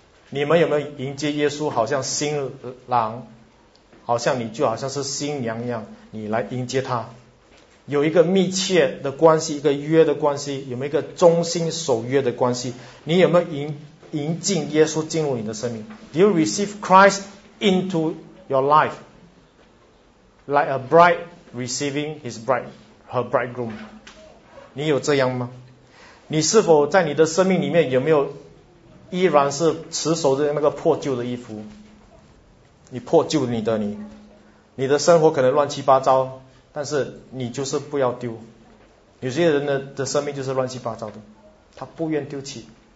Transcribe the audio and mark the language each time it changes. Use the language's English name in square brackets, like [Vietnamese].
[Chinese] 你们有没有迎接耶稣，好像新郎，好像你就好像是新娘一样，你来迎接他，有一个密切的关系，一个约的关系，有没有一个忠心守约的关系？你有没有迎进耶稣进入你的生命 ？ [English] Do you receive Christ into your life？ Like a bride receiving his bride, her bridegroom. [Chinese] 你有这样吗？你是否在你的生命里面有没有依然是持守着那个破旧的衣服？你破旧你的你。你的生活可能乱七八糟，但是你就是不要丢。有些人的生命就是乱七八糟的，他不愿丢弃。